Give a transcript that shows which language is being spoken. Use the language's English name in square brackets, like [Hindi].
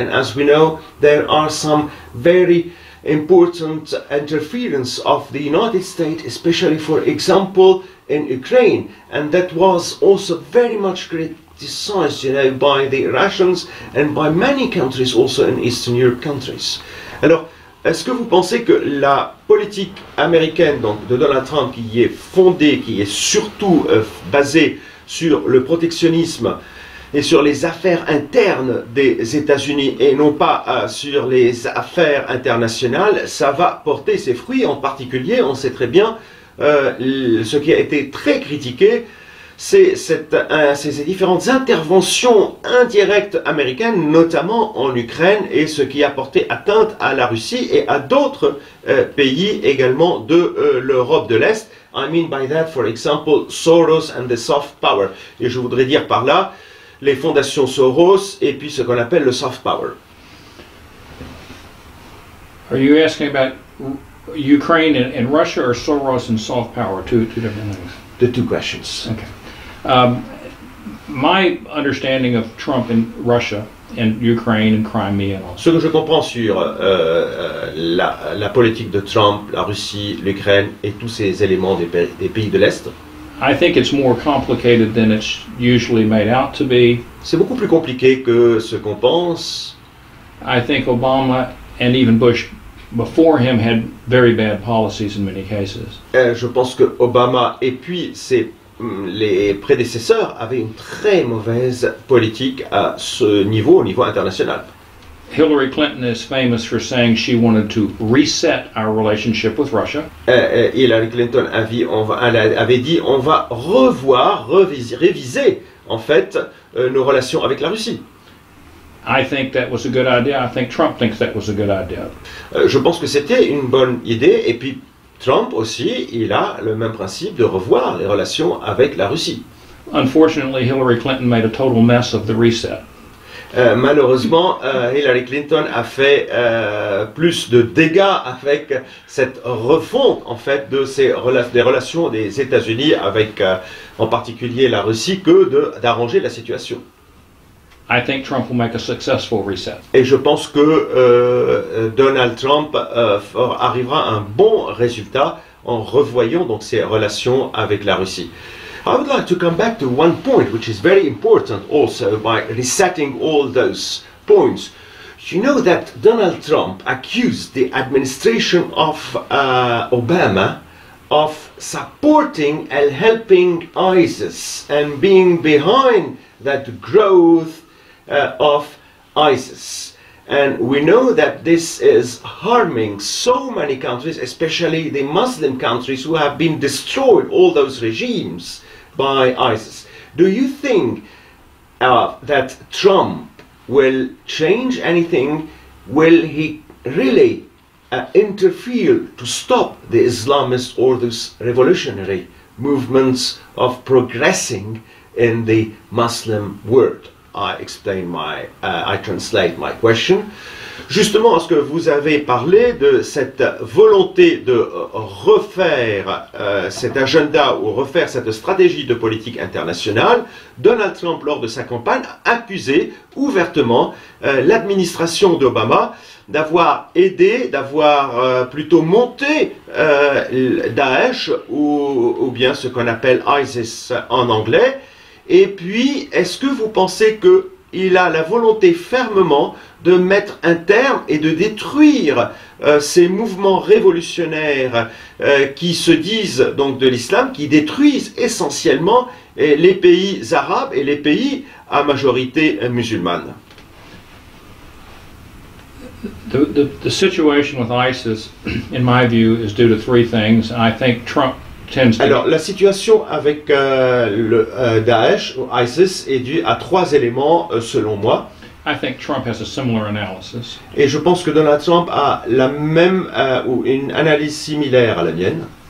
[English] And as we know, there are some very important interference of the United States, especially, for example, in Ukraine. And that was also very much criticized, by the Russians and by many countries also in Eastern Europe countries. [French] Alors, est-ce que vous pensez que la politique américaine donc de Donald Trump qui est fondée, qui est surtout basée sur le protectionnisme et sur les affaires internes des États-Unis et non pas sur les affaires internationales, ça va porter ses fruits? En particulier, on sait très bien ce qui a été très critiqué, c'est ces différentes interventions indirectes américaines, notamment en Ukraine, et ce qui a porté atteinte à la Russie et à d'autres pays également de l'Europe de l'Est. [English] I mean by that, for example, Soros and the soft power. [French] Et je voudrais dire par là les fondations Soros et puis ce qu'on appelle le soft power. [English] Are you asking about Ukraine and Russia, or Soros and soft power? Two different things. The two questions. Okay. My understanding of Trump and Russia and Ukraine and Crimea and all. [French] Ce que je comprends sur la politique de Trump, la Russie, l'Ukraine et tous ces éléments des pays de l'Est. [English] I think it's more complicated than it's usually made out to be. [French] C'est beaucoup plus compliqué que ce qu'on pense. [English] I think Obama and even Bush before him had very bad policies in many cases. [French] Je pense que Obama et puis ses les prédécesseurs avaient une très mauvaise politique à ce niveau, au niveau international. [English] Hillary Clinton is famous for saying she wanted to reset our relationship with Russia. [French] Hillary Clinton avait dit on va réviser en fait nos relations avec la Russie. [English] I think that was a good idea. I think Trump thinks that was a good idea. [French] Je pense que c'était une bonne idée, et puis Trump aussi, il a le même principe de revoir les relations avec la Russie. [English] Unfortunately, Hillary Clinton made a total mess of the reset. [French] Malheureusement, Hillary Clinton a fait plus de dégâts avec cette refonte en fait de des relations des États-Unis avec en particulier la Russie que d'arranger la situation. [English] I think Trump will make a successful reset. [French] Et je pense que Donald Trump arrivera à un bon résultat en revoyant donc ses relations avec la Russie. [English] I would like to come back to one point which is very important also by resetting all those points. You know that Donald Trump accused the administration of Obama of supporting and helping ISIS and being behind that growth of ISIS. And we know that this is harming so many countries, especially the Muslim countries who have been destroyed, all those regimes, by ISIS. Do you think that Trump will change anything? Will he really interfere to stop the Islamist or those revolutionary movements of progressing in the Muslim world? I translate my question. [French] Justement, est-ce que vous avez parlé de cette volonté de refaire cet agenda ou refaire cette stratégie de politique internationale? Donald Trump, lors de sa campagne, a accusé ouvertement l'administration d'Obama d'avoir aidé, d'avoir plutôt monté Daesh ou bien ce qu'on appelle ISIS en anglais. Et puis, est-ce que vous pensez qu'il a la volonté fermement de mettre un terme et de détruire ces mouvements révolutionnaires qui se disent donc de l'islam, qui détruisent essentiellement les pays arabes et les pays à majorité musulmane? [English] The situation with ISIS, in my view, is due to three things. I think Trump... [French] Alors, la situation avec Daesh, ou ISIS, est due à trois éléments, selon moi. [English] I think Trump has a similar analysis. [French] Et je pense que Donald Trump a la même, ou une analyse similaire à la mienne.